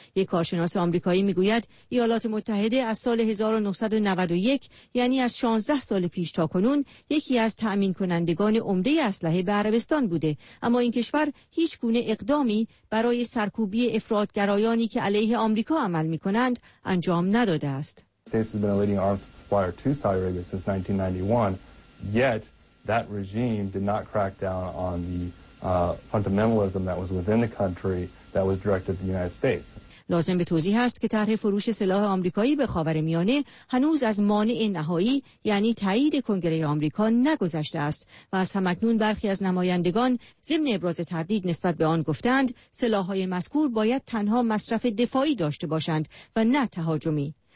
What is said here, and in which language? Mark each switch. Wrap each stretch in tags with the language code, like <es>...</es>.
<fa>یک کارشناس آمریکایی میگوید ایالات متحده از سال 1991 یعنی از 16 سال پیش تا کنون یکی از تأمین کنندگان عمده اسلحه به عربستان بوده، اما این کشور هیچ گونه اقدامی برای سرکوبی افرادگرایانی که علیه آمریکا عمل میکنند انجام نداده است.</fa> <en>This has been a leading arms supplier to Saudi Arabia since 1991, yet that regime did not crack down on the fundamentalism that was within the country that was directed at the United States.</en> <fa>لازم به توضیح است که طرح فروش سلاح آمریکایی به خاورمیانه هنوز از مانع نهایی یعنی تایید کنگره آمریکا نگذشته است و از هم‌اکنون برخی از نمایندگان ضمن ابراز تردید نسبت به آن گفتند سلاح‌های مذکور باید تنها مصرف دفاعی داشته باشند و نه تهاجمی.</fa>